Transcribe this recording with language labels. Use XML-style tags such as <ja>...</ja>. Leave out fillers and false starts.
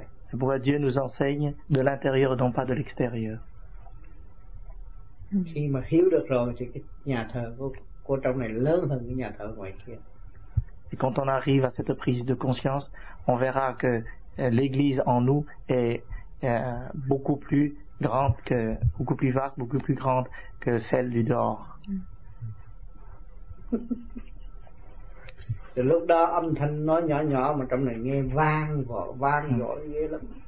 <fr>Pourquoi Dieu nous enseigne de l'intérieur et non pas de l'extérieur.</fr> <vi>Khi mà hiểu được rồi thì cái nhà thờ của trong này lớn hơn cái nhà thờ ngoài kia.</vi> <fr>Et quand on arrive à cette prise de conscience, on verra que l'Église en nous est beaucoup plus grande que, beaucoup plus vaste, beaucoup plus grande que celle du dehors.</fr> <vi>Từ lúc đó âm thanh nó nhỏ nhỏ mà trong này nghe vang vọng, vang dội ghê lắm.</vi>